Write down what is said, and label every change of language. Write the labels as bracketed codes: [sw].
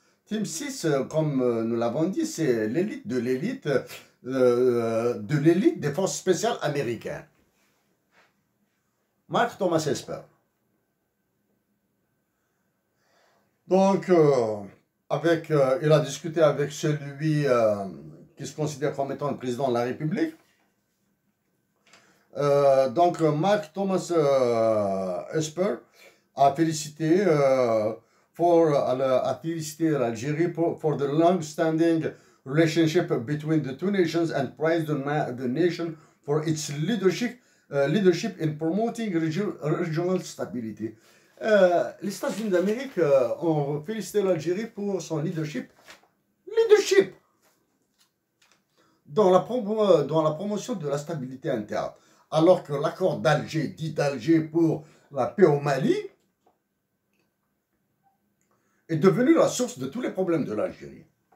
[fr] Team 6, comme nous l'avons dit, c'est l'élite de l'élite de l'élite des forces spéciales américaines. Mark Thomas Esper. Il a discuté avec celui qui se considère comme étant le président de la République. Mark Thomas Esper a félicité l'Algérie [en] for the long-standing relationship between the two nations and praised the nation for its leadership in promoting regional stability. [fr] Les États-Unis d'Amérique ont félicité l'Algérie pour son leadership. Leadership! Dans la promotion de la stabilité interne. Alors que l'accord d'Alger, dit d'Alger pour la paix au Mali, est devenu la source de tous les problèmes de l'Algérie.